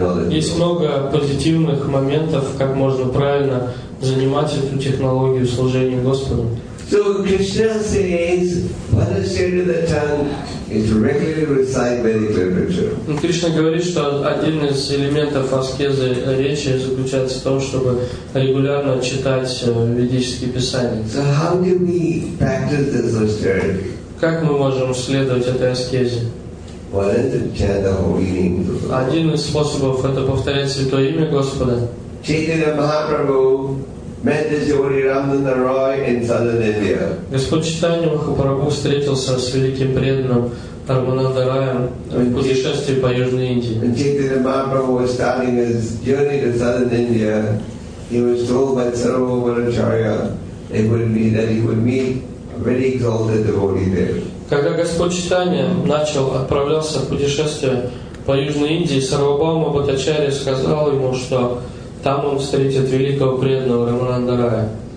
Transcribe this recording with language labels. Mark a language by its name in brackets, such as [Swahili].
[Russian] Есть много позитивных моментов, как можно правильно занимать эту технологию служения Господу. [English] So Krishna says, what is said to the tongue is regularly recite Vedic literature. [Russian] Кришна говорит, что один из элементов аскезы речи заключается в том, чтобы регулярно читать ведические писания. [English] So how do we practice this austerity? [Russian] Как мы можем следовать этой аскезе? [English] What is the chant of holy names of the Lord? [Russian] Один из способов — это повторять святое имя Господа. [English] Chaitanya Mahaprabhu met the Yogi Ramananda Roy in southern India. [Russian] Господь Чайтанья Махапрабху встретился с великим преданным Рамананда Роем в путешествии по Южной Индии. [English] When Chaitanya Mahaprabhu was starting his journey to southern India, he was told by Sarvabhauma Acharya that he would meet a very exalted devotee there. [Russian] Когда Господь Чайтанья начал отправляться в путешествие по Южной Индии, Сарвабхаума Бхаттачарья сказал ему, что там он встретит великого преданного Рамананда Рая.